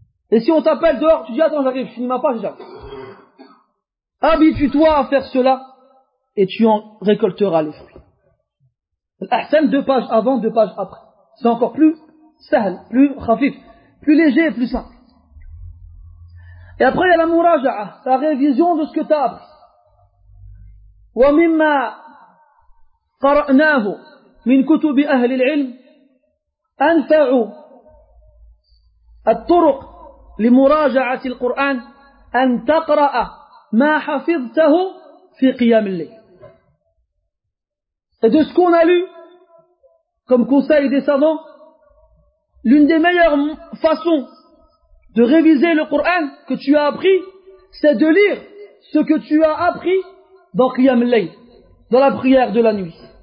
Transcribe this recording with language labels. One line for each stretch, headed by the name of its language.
French: Et si on t'appelle dehors, tu dis, attends, j'arrive, je finis ma page, j'arrive. Habitue-toi à faire cela, et tu en récolteras les fruits. L'ahsan, 2 pages avant, 2 pages après. C'est encore plus sahel, plus khafif, plus léger et plus simple. Et après, il y a la mouraja'a, la révision de ce que tu as appris.
Arabic: Wa mimma قرأناه من كتب أهل العلم أنفع الطرق لمراجعة القرآن أن تقرأ ما حفظته في قيام الليل.
French: Et de ce qu'on a lu comme conseil des savants, l'une des meilleures façons de réviser le Coran que tu as appris, c'est de lire ce que tu as appris dans قيام الليل, dans la prière de la nuit.